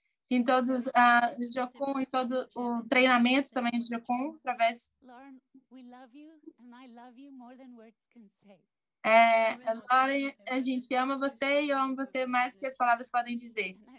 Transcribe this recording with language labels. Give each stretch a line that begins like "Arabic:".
Portuguese: Em todos os Jocum, em todo o treinamento também de Jocum, através.
English: Lauren, we love you, and I love you more than words can say.
Portuguese: Lauren, a gente ama você e eu amo você mais do que as palavras podem dizer.